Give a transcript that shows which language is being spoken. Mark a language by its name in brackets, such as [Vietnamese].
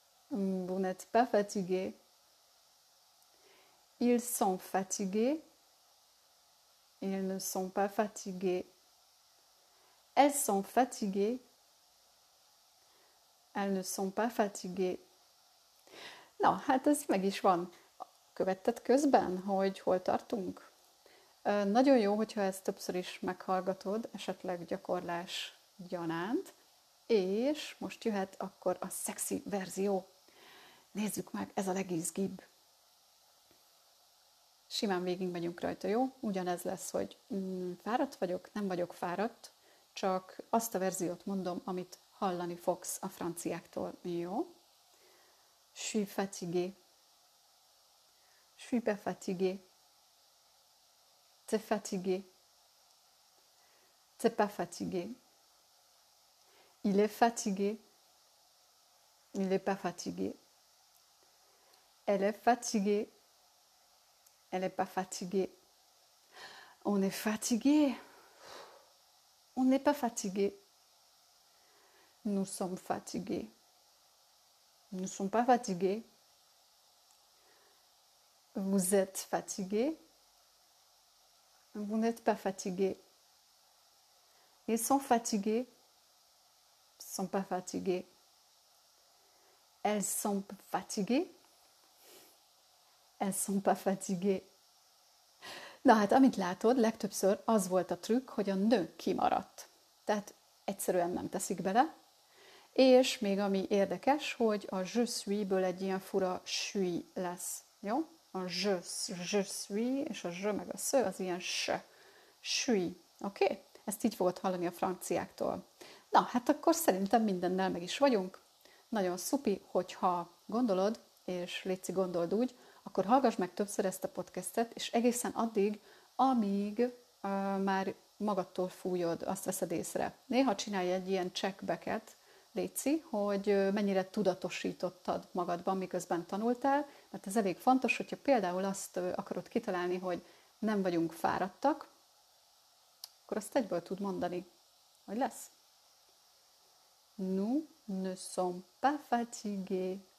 [French] Vous n'êtes pas fatigué. Ils sont fatigués. Ils ne sont pas fatigués. Elles sont fatiguées. Elles ne sont pas fatiguées. [Hungarian] Na, hát ez meg is van. Követted közben, hogy hol tartunk? Nagyon jó, hogyha ezt többször is meghallgatod, esetleg gyakorlás gyanánt. És most jöhet akkor a szexi verzió. Nézzük meg, ez a legizgibb. Simán végig megyünk rajta, jó? Ugyanez lesz, hogy fáradt vagyok, nem vagyok fáradt, csak azt a verziót mondom, amit hallani fogsz a franciáktól, jó? [French] Je suis fatigué. Je suis pas fatigué. T'es fatigué. C'est pas fatigué. Il est fatigué. Il n'est pas fatigué. Elle est fatiguée. Elle n'est pas fatiguée. On est fatigué. On n'est pas fatigué. Nous sommes fatigués. Nous ne sommes pas fatigués. Vous êtes fatigué. Vous n'êtes pas fatigué. Ils sont fatigués. Ils ne sont pas fatigués. Elles sont fatiguées. Elles ne sont pas fatiguées. [Hungarian] Na hát, amit látod, legtöbbször az volt a trükk, hogy a nő kimaradt. Tehát egyszerűen nem teszik bele. És még ami érdekes, hogy a je suis-ből egy ilyen fura suis lesz. Jó? A je suis, és a je meg a sze, az ilyen se. Suis. Oké? Okay? Ezt így fogod hallani a franciáktól. Na, hát akkor szerintem mindennel meg is vagyunk. Nagyon szupi, hogyha gondolod, és léci gondold úgy, akkor hallgass meg többször ezt a podcastet, és egészen addig, amíg már magadtól fújod, azt veszed észre. Néha csinálj egy ilyen checkbacket, léci, hogy mennyire tudatosítottad magadban, miközben tanultál, mert ez elég fontos, hogyha például azt akarod kitalálni, hogy nem vagyunk fáradtak, akkor azt egyből tud mondani, hogy lesz. [French] Nous ne sommes pas fatigués.